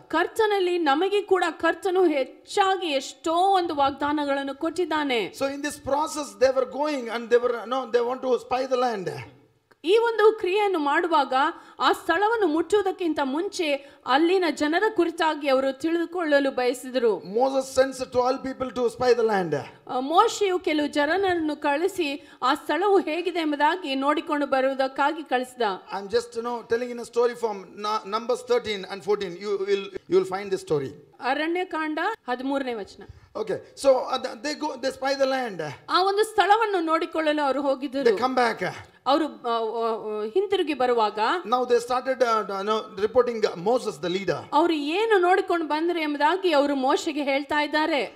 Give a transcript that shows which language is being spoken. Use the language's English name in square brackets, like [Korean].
[Kannada] ಕರ್ತನಲ್ಲಿ ನಮಗೆ ಕೂಡ ಕರ್ತನು ಹೆಚ್ಚಾಗಿ ಎಷ್ಟೋ ಒಂದು ವಾಗ್ದಾನಗಳನ್ನು ಕೊಟ್ಟಿದ್ದಾನೆ. [English] So in this process they were going and they were no they want to spy the land. [Kannada] ಈ ಒಂದು ಕ್ರಿಯೆಯನ್ನು ಮಾಡುವಾಗ ಆ ಸ್ಥಳವನ್ನು ಮುಟ್ಟುವುದಕ್ಕಿಂತ ಮುಂಚೆ ಅಲ್ಲಿನ ಜನರ ಕುರಿತಾಗಿ ಅವರು ತಿಳಿದುಕೊಳ್ಳಲು ಬಯಸಿದರು. [English] Moses sends 12 people to spy the land. [Kannada] ಮೋಶೆಯು ಕೆಲವು ಜನರನ್ನು ಕಳಿಸಿ ಆ ಸ್ಥಳವು ಹೇಗಿದೆ ಎಂಬುದಾಗಿ ನೋಡಿಕೊಂಡು ಬರುವುದಕ್ಕಾಗಿ ಕಳಿಸಿದ. [English] I'm just telling in a story from Numbers 13 and 14. You will find this story. [Kannada] Aranya Kanda 13ನೇ ವಚನ. [English] Okay, so they spy the land. [Kannada] ಆ ಒಂದು ಸ್ಥಳವನ್ನು ನೋಡಿಕೊಳ್ಳಲು ಅವರು ಹೋಗಿದ್ದರು. [English] They come back. [Kannada] ಅವರು ಹಿಂತಿರುಗಿ ಬರುವಾಗ [English] Now they started reporting Moses the leader. [Kannada] ಅವರು ಏನು ನೋಡಿಕೊಂಡು ಬಂದ್ರೆ ಎಂಬುದಾಗಿ ಅವರು ಮೋಶೆಗೆ ಹೇಳ್ತಾ ಇದ್ದಾರೆ.